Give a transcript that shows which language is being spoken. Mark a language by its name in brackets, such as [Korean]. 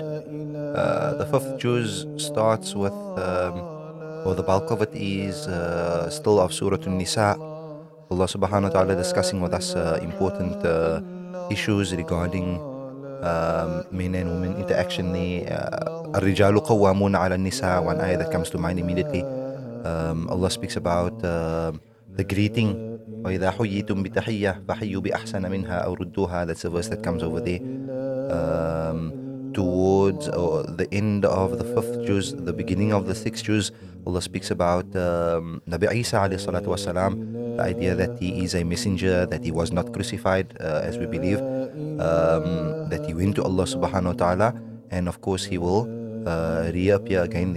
[English] The fifth Jews starts with, well, the bulk of it is still of Surah An-Nisa. Allah subhanahu wa ta'ala discussing with us important issues regarding men and women interaction. The [Arabic] الرجال قوامون على النساء, [English] one ayah that comes to mind immediately. Allah speaks about the greeting, [Arabic] وإذا حييتم بتحية فحيوا بأحسن منها أو ردوها. [English] That's a verse that comes over there. Towards the end of the fifth juz, the beginning of the sixth juz, Allah speaks about Nabi Isa alayhi salatu wasalam, the idea that he is a messenger, that he was not crucified as we believe, that he went to Allah subhanahu wa ta'ala, and of course he will reappear again.